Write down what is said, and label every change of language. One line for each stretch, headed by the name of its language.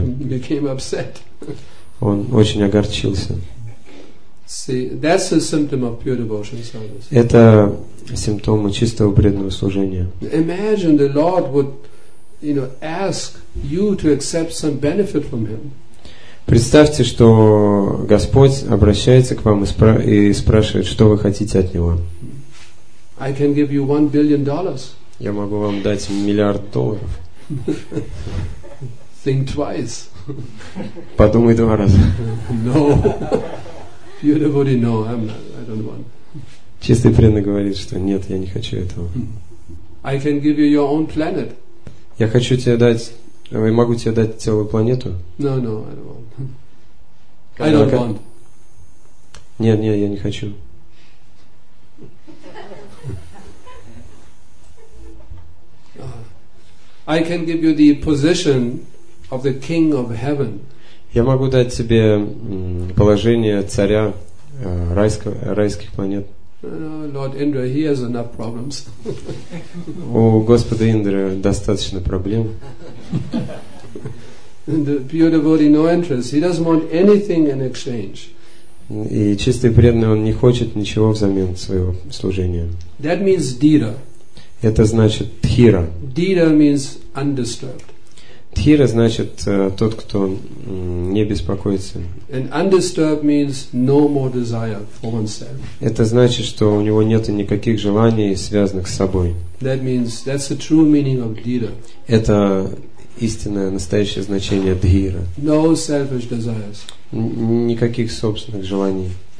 English: Became upset.
Russian: Он очень огорчился.
English: See, that's a symptom of pure devotion service.
Russian: Это симптомы чистого преданного служения.
English: Imagine the Lord would, you know, ask you to accept some benefit from him.
Russian: Представьте, что Господь обращается к вам и спрашивает, что вы хотите от него.
English: I can give you $1 billion.
Russian: Я могу вам дать миллиард долларов.
English: Think twice.
Russian: Подумай два раза.
English: No. Pure devotee, no, I'm not, I don't want.
Russian: Чистый преданный говорит, что нет, я не хочу этого.
English: I can give you your own planet.
Russian: Я хочу тебе дать, я могу тебе дать целую планету.
English: No, no, I don't want. I don't want.
Russian: Нет, нет, я не хочу.
English: I can give you the position of the king of heaven.
Russian: Я могу дать тебе положение царя райских планет.
English: Lord Indra, he has enough problems.
Russian: У Господа Индры достаточно проблем.
English: The pure devotee no interest. He doesn't want anything in exchange.
Russian: И чистый преданный, он не хочет ничего взамен своего служения.
English: That means dhira.
Russian: Это значит тхира.
English: Dhira means undisturbed.
Russian: Тхира значит тот, кто не беспокоится.
English: And undisturbed means no more desire for oneself.
Russian: Это значит, что у него нет никаких желаний, связанных с собой.
English: That means that's the true meaning of dhira.
Russian: Это истинное, настоящее значение дхира.
English: No selfish desires.
Russian: никаких собственных желаний.